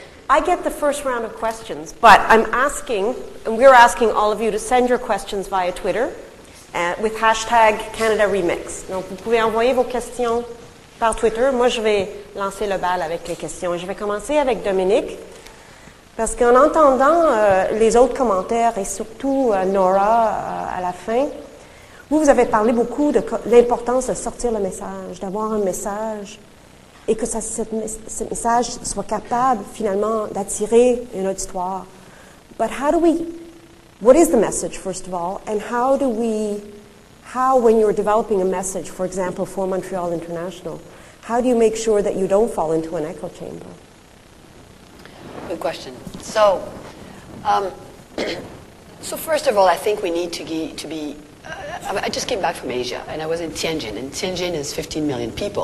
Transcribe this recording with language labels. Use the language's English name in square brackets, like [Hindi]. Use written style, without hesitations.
[English] I get the first round of questions, but I'm asking, and we're asking all of you to send your questions via Twitter with hashtag Canada Remix. [French] Donc, vous pouvez envoyer vos questions par Twitter. Moi, je vais lancer le bal avec les questions. Je vais commencer avec Dominique, parce qu'en entendant les autres commentaires, et surtout Nora à la fin, vous avez parlé beaucoup de l'importance de sortir le message, d'avoir un message, et que ce message soit capable, finalement, d'attirer une auditoire. [English] But how do we... What is the message, first of all, and how do we, how when you're developing a message, for example, for Montreal International, how do you make sure that you don't fall into an echo chamber? Good question. So, so first of all, I think we need to be, I just came back from Asia, and I was in Tianjin, and Tianjin is 15 million people.